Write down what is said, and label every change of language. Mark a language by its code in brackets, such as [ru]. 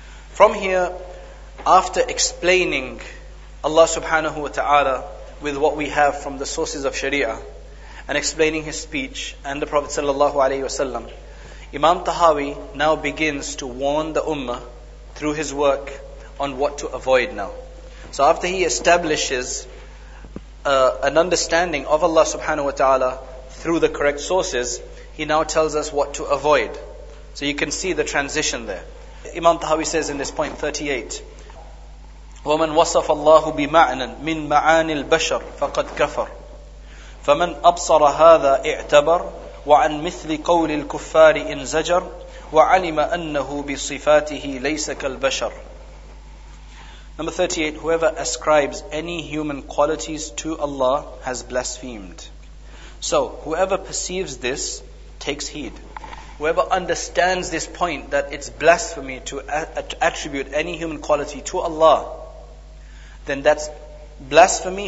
[en] From here, after explaining Allah subhanahu wa ta'ala with what we have from the sources of Sharia, and explaining his speech and the Prophet sallallahu alayhi wa sallam, Imam Tahawi now begins to warn the ummah through his work on what to avoid now. So after he establishes an understanding of Allah subhanahu wa ta'ala through the correct sources, he now tells us what to avoid. So you can see the transition there. Imam Tahawi says in this point 38, [ar] وَمَنْ وَصَفَ اللَّهُ بِمَعْنًا مِنْ مَعَانِ الْبَشَرِ فَقَدْ كَفَرْ فَمَنْ أَبْصَرَ هَذَا اِعْتَبَرْ وَعَنْ مِثْلِ قَوْلِ الْكُفَّارِ إِنْ زَجَرْ وَعَلِمَ أَنَّهُ بِصِفَاتِهِ لَيْسَ كَالْبَشَرْ. [en] Number 38, whoever ascribes any human qualities to Allah has blasphemed. So, whoever perceives this, takes heed. Whoever understands this point, that it's blasphemy to attribute any human quality to Allah, then that's blasphemy.